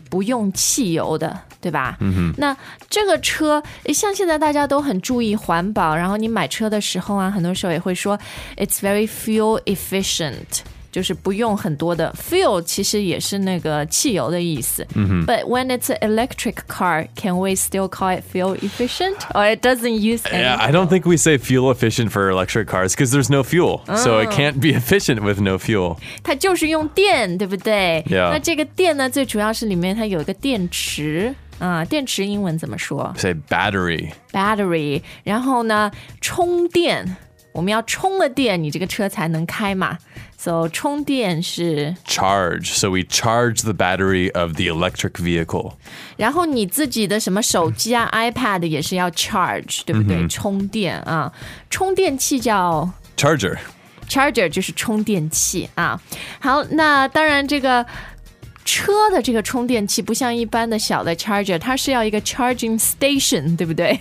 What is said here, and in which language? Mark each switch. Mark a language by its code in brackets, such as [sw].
[zh] 不用汽油的，对吧？ Mm-hmm. 那这个车，像现在大家都很注意环保，然后你买车的时候啊，很多时候也会说 [en] it's very fuel efficient. [zh] 就是不用很多的 fuel 其实也是那个汽油的意思、 mm-hmm. [en] But when it's an electric car, can we still call it fuel efficient? Or it doesn't use any? I don't think we say fuel efficient for electric cars because there's no fuel、oh. So it can't be efficient with no fuel. [zh] 它就是用电，对不对、 yeah. 那这个电呢，最主要是里面它有一个电池电池英文怎么说？ [en] Say battery. Battery. [zh] 然后呢，充电，我们要充了电，你这个车才能开嘛。 So, 充电是 [en] charge. So, we charge the battery of the electric vehicle. [zh] 然后你自己的什么手机啊 iPad 也是要 charge, 对不对、mm-hmm. 充电啊。充电器叫 [en] charger. [zh] Charger 就是充电器啊。好，那当然这个车的这个充电器不像一般的小的 charger, 它是要一个 charging station, 对不对、